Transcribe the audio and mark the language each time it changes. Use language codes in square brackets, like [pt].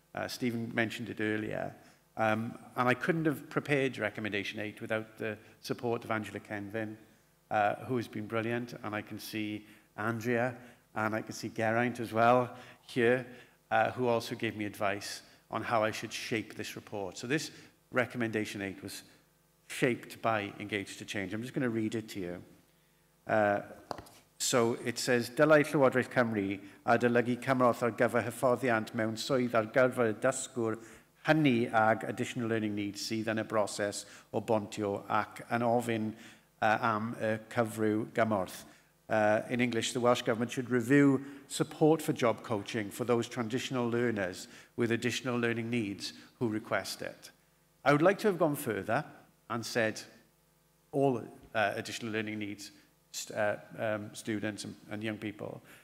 [en] Stephen mentioned it earlier. And I couldn't have prepared Recommendation 8 without the support of Angela Kenvin, who has been brilliant, and I can see Andrea, and I can see Geraint as well here, who also gave me advice on how I should shape this report. So this Recommendation 8 was shaped by Engage to Change. I'm just going to read it to you. So it says, [cy] Dylai Llywodraeth Cymru adolygu cymorth ar gyfer hyfforddiant mewn swydd ar gyfer y dysgwr hynny ag [en] additional learning needs [cy] sydd yn y broses o bontio ac yn ofyn am y cyfrw gymorth. [en] In English, the Welsh Government should review support for job coaching for those transitional learners with additional learning needs who request it. I would like to have gone further and said all additional learning needs students and young people.